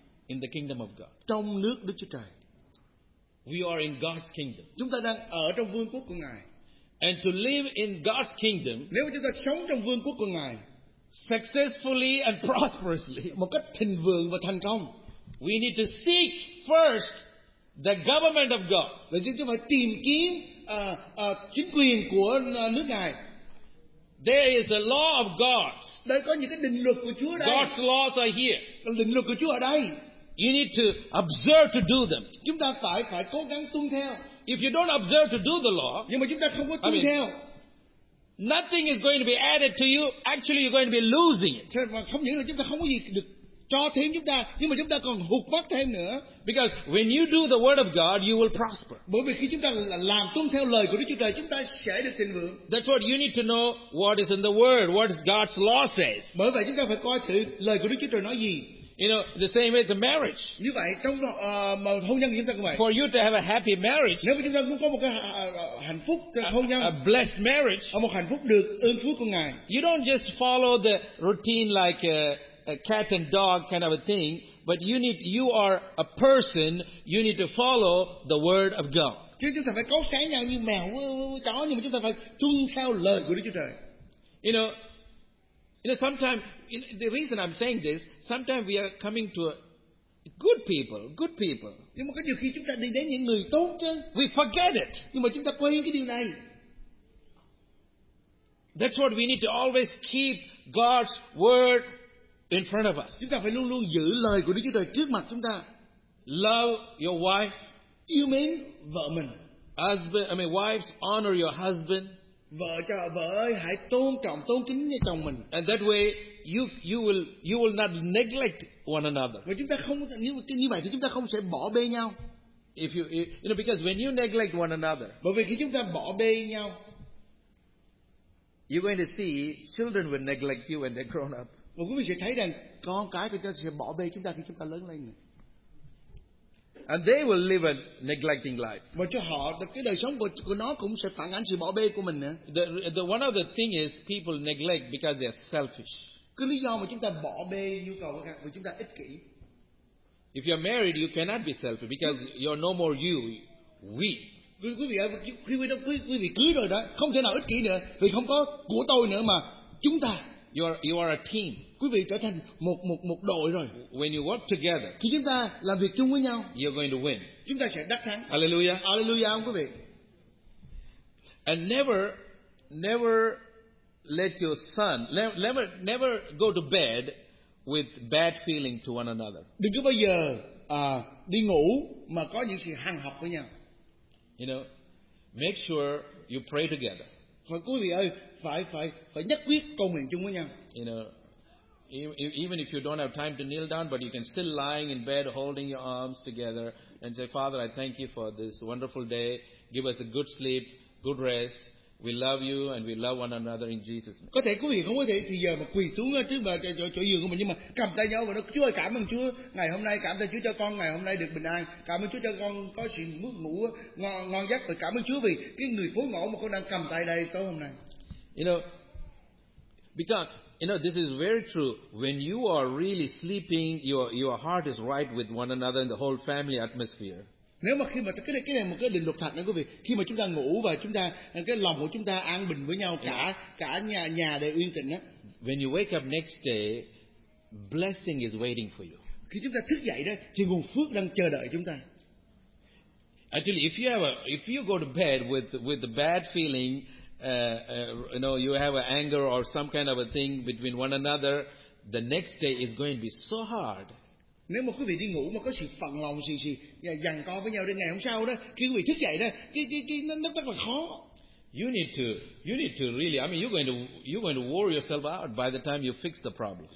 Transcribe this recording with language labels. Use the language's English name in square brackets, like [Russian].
[English] In the kingdom of God. [Vietnamese] Trong nước Đức Chúa Trời. [English] We are in God's kingdom. [Vietnamese] Chúng ta đang ở trong vương quốc của Ngài. [English] And to live in God's kingdom. [Vietnamese] Nếu mà chúng ta sống trong vương quốc của Ngài. [English] Successfully and prosperously. [Vietnamese] Một cách thịnh vượng và thành công. [English] We need to seek first the government of God. [Vietnamese] Vậy chúng ta phải tìm kiếm chính quyền của nước Ngài. [English] There is a law of God. [Vietnamese] Đây có những cái định luật của Chúa đây. [English] God's laws are here. [Vietnamese] Định luật của Chúa ở đây. [English] You need to observe to do them. [Vietnamese] Chúng ta phải cố gắng tuân theo. [English] If you don't observe to do the law, [Vietnamese] nhưng mà chúng ta không có tuân theo, [English] nothing is going to be added to you. Actually, you're going to be losing it. [Vietnamese] Không những là chúng ta không có gì được cho thêm chúng ta, nhưng mà chúng ta còn hụt mất thêm nữa. [English] Because when you do the word of God, you will prosper. [Vietnamese] Bởi vì khi chúng ta làm tuân theo lời của Đức Chúa Trời, chúng ta sẽ được thịnh vượng. [English] That's what you need to know. What is in the word? What is God's law says? [Vietnamese] Bởi vậy chúng ta phải coi thử lời của Đức Chúa Trời nói gì. [English] You know, the same as the marriage. [Vietnamese] Như vậy trong hôn nhân chúng ta cũng vậy. [English] For you to have a happy marriage. [Vietnamese] Nếu chúng ta muốn có một cái hạnh phúc hôn nhân. [English] A blessed marriage. [Vietnamese] Một hạnh phúc được ơn phước của Ngài. [English] You don't just follow the routine like a cat and dog kind of a thing, but you are a person. You need to follow the word of God. [Vietnamese] Chứ chúng ta phải cấu xé nhau như mèo với chó, nhưng mà chúng ta phải tuân theo lời của Đức Chúa Trời. [English] You know, sometimes the reason I'm saying this, sometimes we are coming to good people. [Vietnamese] Nhưng mà có nhiều khi chúng ta đi đến những người tốt chứ. [English] We forget it. [Vietnamese] Nhưng mà chúng ta quên cái điều này. [English] That's what we need to always keep God's word in front of us. [Vietnamese] Chúng ta phải luôn luôn giữ lời của Đức Chúa Trời trước mặt chúng ta. [English] Love your wife. [Vietnamese] Yêu mến vợ mình. [English] Husband, wives, honor your husband. [Vietnamese] Vợ cho vợ ơi, hãy tôn trọng, tôn kính như chồng mình. [English] And that way you will not neglect one another. [Vietnamese] Và chúng ta không như vậy thì chúng ta không sẽ bỏ bê nhau. [English] If you know because when you neglect one another. [Vietnamese] Bởi vì khi chúng ta bỏ bê nhau, [English] you're going to see children will neglect you when they're grown up. [Vietnamese] Và quý vị sẽ thấy rằng con cái của chúng ta sẽ bỏ bê chúng ta khi chúng ta lớn lên. [English] And they will live a neglecting life. [Vietnamese] Và cho họ cái đời sống của nó cũng sẽ phản ánh sự bỏ bê của mình nữa. [English] The one of the thing is people neglect because they are selfish. [Vietnamese] Cái lý do mà chúng ta bỏ bê nhu cầu của các vì chúng ta ích kỷ. [English] If you're married, you cannot be selfish because you're no more you, we. [Vietnamese] Quý vị ơi, quý vị cưới rồi đó, không thể nào ích kỷ nữa vì không có của tôi nữa mà chúng ta. [English] You are a team. [Vietnamese] Quý vị trở thành một đội rồi. [English] When you work together, [Vietnamese] khi chúng ta làm việc chung với nhau, [English] you're going to win. [Vietnamese] Chúng ta sẽ đắc thắng. [English] Hallelujah. [Vietnamese] Hallelujah, quý vị. [English] And never let your son never go to bed with bad feeling to one another. [Vietnamese] Đừng có bao giờ đi ngủ mà có những sự hằn học với nhau. [English] You know, make sure you pray together. [Vietnamese] Phải quý vị ơi, phải nhất quyết cầu nguyện chung với nhau. [English] You know, even if you don't have time to kneel down, but you can still lying in bed holding your arms together and say, Father, I thank you for this wonderful day. Give us a good sleep, good rest. We love you and we love one another in Jesus' name. [Vietnamese] Có thể quý vị không có thể thì giờ mà quỳ xuống trước mà chỗ giường của mình, nhưng mà cầm tay nhau và nói, Chúa ơi, cảm ơn Chúa ngày hôm nay, cảm ơn Chúa cho con ngày hôm nay được bình an, cảm ơn Chúa cho con có sự ngủ ngon giấc, và cảm ơn Chúa vì cái người phố ngõ mà con đang cầm tay đây tối hôm nay. [English] Because this is very true. When you are really sleeping, your heart is right with one another in the whole family atmosphere. [Vietnamese] Nếu mà khi mà cái này một cái định luật thật nữa quý vị, khi mà chúng ta ngủ và chúng ta cái lòng của chúng ta an bình với nhau, cả nhà đều yên tĩnh á. [English] When you wake up next day, blessing is waiting for you. [Vietnamese] Khi chúng ta thức dậy đó thì nguồn phước đang chờ đợi chúng ta. [English] Actually, if you go to bed with the bad feeling, you have an anger or some kind of a thing between one another, the next day is going to be so hard. [Vietnamese] Nếu mà quý vị đi ngủ mà có sự phận lòng gì giằng co với nhau đến ngày hôm sau đó, khi quý vị thức dậy đó, nó rất là khó. [English] You need to really, you're going to wore yourself out by the time you fix the problem.